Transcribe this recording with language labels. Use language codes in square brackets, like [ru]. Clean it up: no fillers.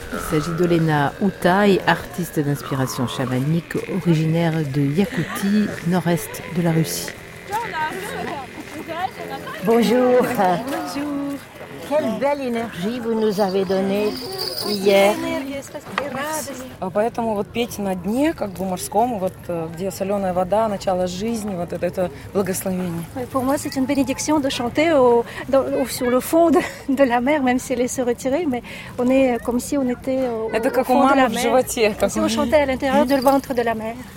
[fr] s'agit d'Olena Outaï, artiste d'inspiration chamanique, originaire de Yakoutie, nord-est de la Russie. Bonjour. Bonjour. Quelle belle énergie vous nous avez donnée hier. [ru] Поэтому вот петь на дне, как бы морском, вот где соленая вода, начало жизни, вот это благословение. [fr] Pour moi, c'est une bénédiction de chanter sur le fond de la mer, même si elle est se retirée, mais on est comme si on était au fond de la mer. [ru] Это как у мамы в животе. [fr] Comme si on chantait à l'intérieur du ventre de la mer.